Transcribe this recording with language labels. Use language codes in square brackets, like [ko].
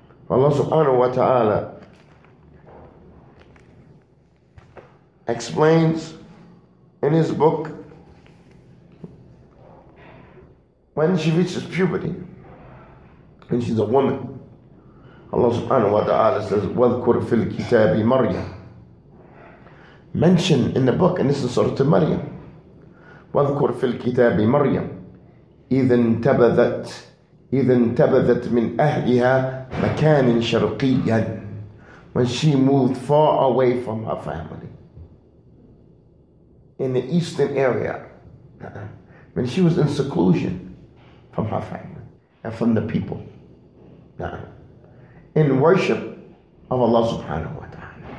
[en] Allah subhanahu wa ta'ala explains in His book when she reaches puberty and she's a woman. Allah subhanahu wa ta'ala says, [ar] وَذْكُرْ فِي الْكِتَابِ مَرْيَمْ. [en] Mention in the book, and this is Surah Maryam. [ar] وَذْكُرْ فِي الْكِتَابِ مَرْيَمْ إِذْ انْتَبَذَتْ إذا انتبذت من أهلها مكان شرقيا. [en] When she moved far away from her family in the eastern area, when she was in seclusion from her family and from the people, in worship of Allah subhanahu wa ta'ala.